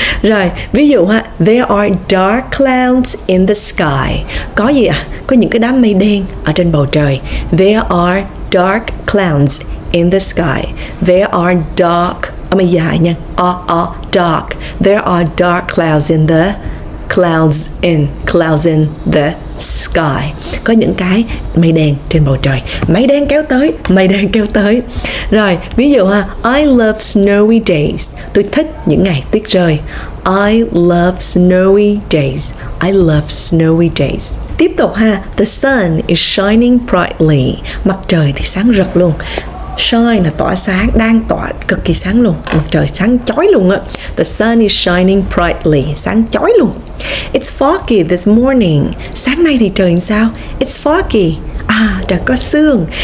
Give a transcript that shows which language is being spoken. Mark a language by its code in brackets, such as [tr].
[vi] Rồi, ví dụ ha, [en] there are dark clouds in the sky. [vi] Có gì ạ? Có những cái đám mây đen ở trên bầu trời. [en] There are dark clouds in the sky. There are dark, [vi] âm dài nha. [en] Dark. There are dark clouds in the sky. [vi] Có những cái mây đen trên bầu trời. Mây đen kéo tới. Rồi, ví dụ ha, [en] I love snowy days. [vi] Tôi thích những ngày tuyết rơi. [en] I love snowy days. I love snowy days. [vi] Tiếp tục ha, [en] the sun is shining brightly. [vi] Mặt trời thì sáng rực luôn. Shine là tỏa sáng, đang tỏa cực kỳ sáng luôn. Mặt trời sáng chói luôn á. [en] The sun is shining brightly. [vi] Sáng chói luôn. [en] It's foggy this morning. [vi] Sáng nay thì trời sao? [en] It's foggy. [vi] Trời có sương.